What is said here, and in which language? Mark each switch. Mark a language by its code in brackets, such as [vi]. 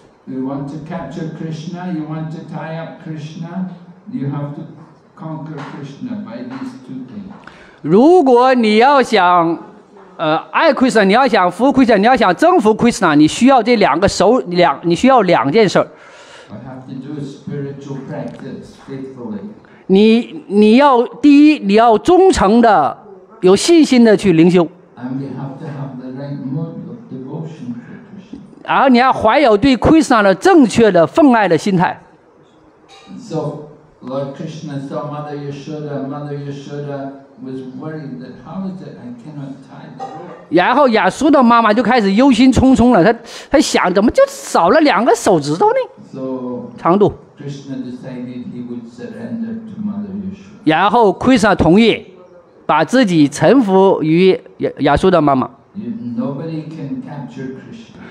[en] You want to capture Krishna, you want to tie up Krishna, you have to conquer Krishna by these two things. [zh] 如果你要想爱 Krishna, 你要想服 Krishna, 你要想征服 Krishna, 你需要这两个手两你需要两件事。 [en] I have to do spiritual practice faithfully. [zh] 你要第一你要忠诚的有信心的去灵修。 [en] And you have to have the right mood of devotion. [zh] 然后你要怀有对 Krishna 的正确的奉爱的心态。 [en] So Lord Krishna saw Mother Yashoda. Mother Yashoda was worried that how is it I cannot tie the rope. [zh] 然后亚苏的妈妈就开始忧心忡忡了。她想怎么就少了两个手指头呢？ [en] So [zh] 长度。 [en] Krishna decided he would surrender to Mother Yashoda. [zh] 然后 Krishna 同意把自己臣服于亚苏的妈妈。 [en] Nobody can capture Krishna.